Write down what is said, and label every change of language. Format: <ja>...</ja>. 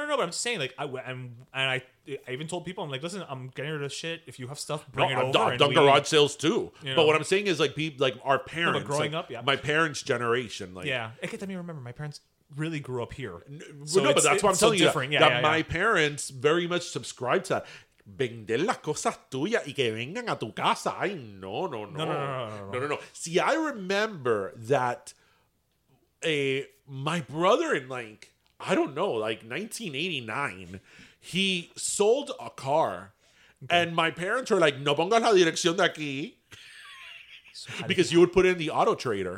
<en>But I'm saying like, I even told people, I'm like, listen, I'm getting rid of shit. If you have stuff, bring it over. I've done garage sales too. You know? But what I'm saying is like our parents. No, but growing like, up, yeah. My parents' generation. Like, yeah. Let me remember, my parents really grew up here. So no, but that's what I'm telling different. You. Yeah, my parents very much subscribe to that.</en> <es>Vender las cosas tuyas y que vengan a tu casa. Ay, no.</es> <en>See, I remember that my brother in, like, I don't know, like 1989, he sold a car. Okay. And my parents were like,</en> <es>no pongas la dirección de aquí.</es> <en>So because you would put in the auto trader.</en>